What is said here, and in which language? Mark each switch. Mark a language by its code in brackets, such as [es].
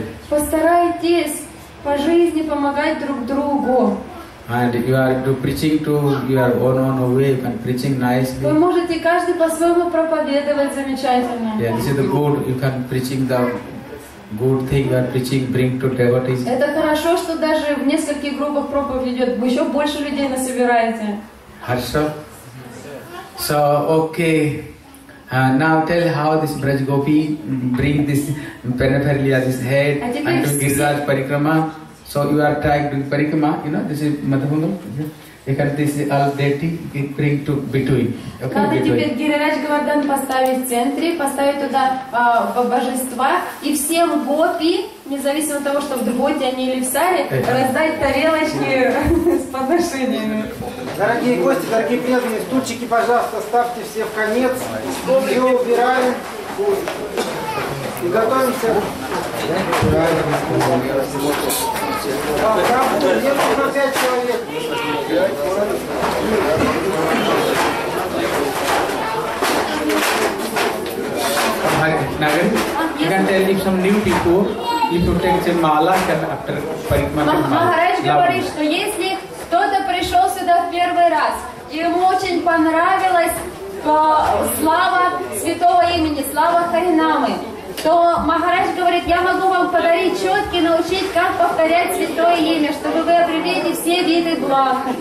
[ru] Постарайтесь по жизни помогать друг другу. [en] And you are to preaching to your own way and preaching nicely. [ru] Вы можете каждый по-своему проповедовать замечательно. [en] Yeah, this is the good. You can preaching the good thing you are preaching bring to devotees. [ru] Это хорошо, что даже в нескольких группах проповедь идет. Вы еще больше людей насобираете. Хорошо. [en] So, okay. Now tell how this Braj Gopi bring this Panaparliya, this head, and to Giriraj Parikrama. So you are trying to Parikrama, you know, this is Madhavanga. Because this is all deity, it bring to between. Okay, надо between. [ru] Теперь Гирирадж Гавардан поставить в центре, поставить туда божества, и всем гопи, независимо от того, что в Дхоте они или в Саре, раздать тарелочки с подношениями. Дорогие гости, дорогие преданные, стульчики, пожалуйста, ставьте все в конец. Все убираем. И готовимся. Там будет 5 человек. [en] Hi, Nagar. You can tell if some new people, if you take some mala can after Parikrama. [ru] Maharaj говорит, что если кто-то пришел сюда в первый раз, ему очень понравилась слава святого имени, слава Харинамы, то Махарадж говорит, я могу вам подарить четки, научить, как повторять святое имя, чтобы вы обрели все виды благ.